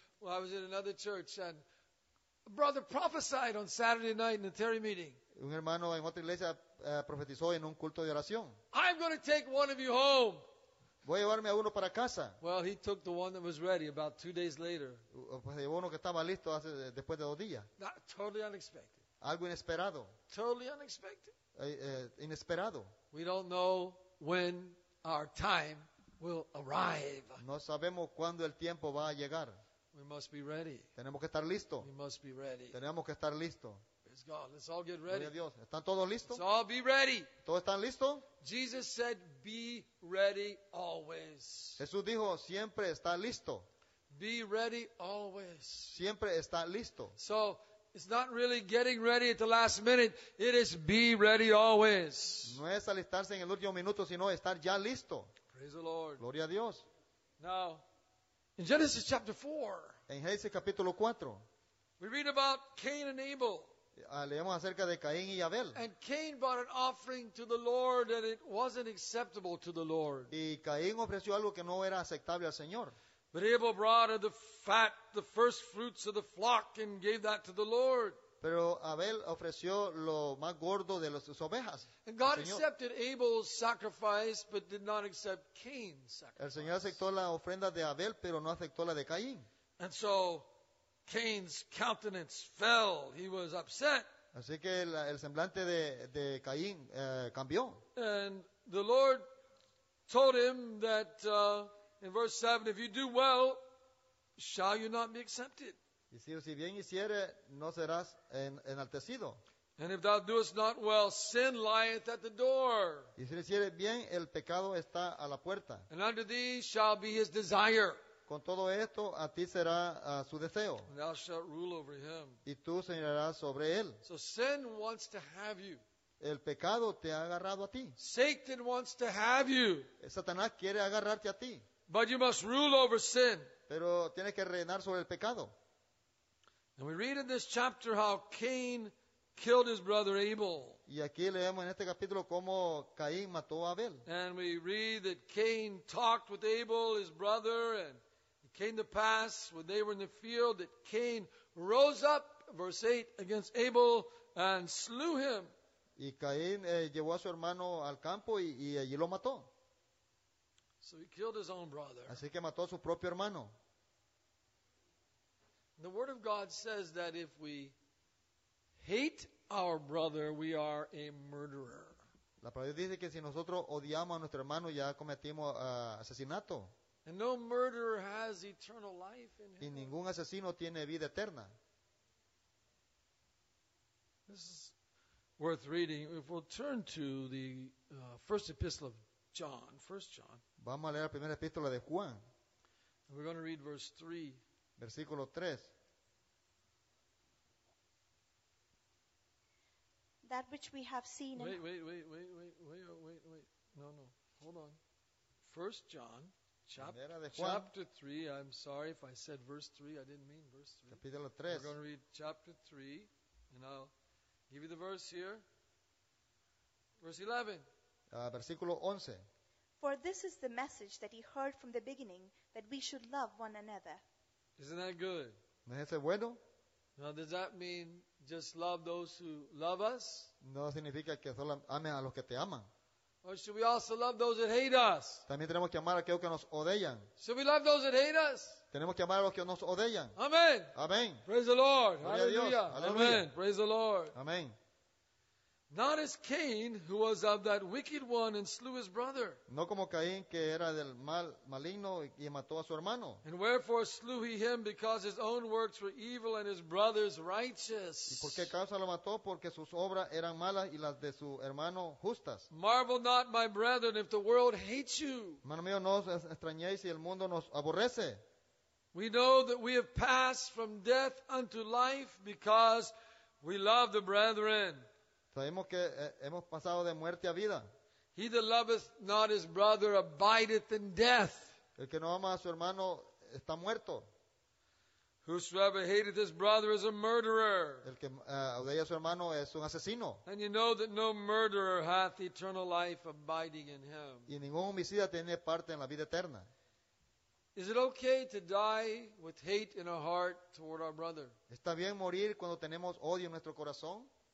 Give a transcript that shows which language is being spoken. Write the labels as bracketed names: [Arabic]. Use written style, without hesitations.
[English] Well, I was in another church and a brother prophesied on Saturday night in the Terry meeting. [Spanish] Un hermano en otra iglesia profetizó en un culto de oración. [English] I'm going to take one of you home. [Spanish] Voy a llevarme a uno para casa. [English] Well, he took the one that was ready about 2 days later. [Spanish] Pues llevó uno que estaba listo después de 2 días. [English] Totally unexpected. [Spanish] Algo inesperado. [English] Totally unexpected. [Spanish] Inesperado. [English] We don't know when our time will arrive. [Spanish] No sabemos cuándo el tiempo va a llegar. [English] We must be ready. [Spanish] Tenemos que estar listo. [English] We must be ready. [Spanish] Tenemos que estar listo. [English] God, let's all get ready. [Spanish] Dios, ¿están todos listos? [English] Let's all be ready. [Spanish] ¿Todos están listos? [English] Jesus said, "Be ready always." [Spanish] Jesús dijo, siempre está listo. [English] Be ready always. [Spanish] Siempre está listo. [English] So it's not really getting ready at the last minute. It is be ready always. [Spanish] No es alistarse en el último minuto, sino estar ya listo. [English] Praise the Lord. [Spanish] Gloria a Dios. [English] Now, in Genesis chapter 4, [Spanish] en Génesis capítulo 4, [English] we read about Cain and Abel. [Spanish] Leemos acerca de Caín y Abel. [English] And Cain brought an offering to the Lord and it wasn't acceptable to the Lord. [Spanish] Y Caín ofreció algo que no era aceptable al Señor. [English] But Abel brought of the fat, the first fruits of the flock and gave that to the Lord. [Spanish] Pero Abel ofreció lo más gordo de sus ovejas. [English] And God accepted Abel's sacrifice but did not accept Cain's sacrifice. [Spanish] El Señor aceptó la ofrenda de Abel pero no aceptó la de Caín. [English] And so Cain's countenance fell. He was upset. [Spanish] Así que el semblante de Caín cambió. [English] And the Lord told him that in verse 7, if you do well, shall you not be accepted? [Spanish] Y si bien hiciere, no serás enaltecido. [English] And if thou doest not well, sin lieth at the door. [Spanish] Y si hiciere bien, el pecado está a la puerta. [English] And under thee shall be his desire. [Spanish] Con todo esto, a ti será su deseo. [English] Thou shalt rule over him. [Spanish] Y tú señorarás sobre él. [English] So sin wants to have you. [Spanish] El pecado te ha agarrado a ti. [English] Satan wants to have you. [Spanish] Satanás quiere agarrarte a ti. [English] But you must rule over sin. [Spanish] Pero tienes que reinar sobre el pecado. [English] And we read in this chapter how Cain killed his brother Abel. [Spanish] Y aquí leemos en este capítulo cómo Caín mató a Abel. [English] And we read that Cain talked with Abel, his brother, and came to pass when they were in the field that Cain rose up, verse 8, against Abel and slew him. [Spanish] Y Caín llevó a su hermano al campo y allí lo mató. [English] So he killed his own brother. [Spanish] Así que mató a su propio hermano. [English] The word of God says that if we hate our brother, we are a murderer. [Spanish] La palabra dice que si nosotros odiamos a nuestro hermano, ya cometimos asesinato. [English] And no murderer has eternal life in him. [Spanish] Y ningún asesino tiene vida eterna. [English] This is worth reading. If we'll turn to the first epistle of John, 1 John. [Spanish] Vamos a leer la primera epístola de Juan. [English] And we're going to read verse 3. [Spanish] Versículo 3. [English] That which we have seen. Wait. No, no. Hold on. 1 John. Chapter 3, I'm sorry if I said verse 3, I didn't mean verse 3. [Spanish] Capítulo 3. [English] We're going to read chapter 3, and I'll give you the verse here. Verse 11. [Spanish] Versículo 11. [English] For this is the message that he heard from the beginning, that we should love one another. Isn't that good? [Spanish] ¿No es bueno? [English] Now, does that mean just love those who love us? [Spanish] No significa que solo ame a los que te aman. [English] Or should we also love those that hate us? [Spanish] También tenemos que amar a aquellos que nos odian. [English] Should we love those that hate us? [Spanish] Tenemos que amar a los que nos odian. [English] Amen. [Spanish] Amen. [English] Praise the Lord. [Spanish] Gloria a Dios. Hallelujah. [English] Amen. Praise the Lord. [Spanish] Amen. [English] Not as Cain, who was of that wicked one and slew his brother. [Spanish] No como Caín, que era del mal maligno y mató a su hermano. [English] And wherefore slew he him? Because his own works were evil and his brother's righteous. [Spanish] ¿Y por qué causa lo mató? Porque sus obras eran malas y las de su hermano justas. [English] Marvel not, my brethren, if the world hates you. [Spanish] Hermano mío, no os extrañéis si el mundo nos aborrece. [English] We know that we have passed from death unto life because we love the brethren. [Spanish] Sabemos que hemos pasado de muerte a vida. [English] He that loveth not his brother abideth in death. [Spanish] El que no ama a su hermano está muerto. [English] Whosoever hateth his brother is a murderer. [Spanish] El que odia a su hermano es un asesino. [English] And you know that no murderer hath eternal life abiding in him. [Spanish] Y ningún homicida tiene parte en la vida eterna. [English] Is it okay to die with hate in our heart toward our brother? [Spanish] ¿Está bien morir cuando tenemos odio en nuestro corazón?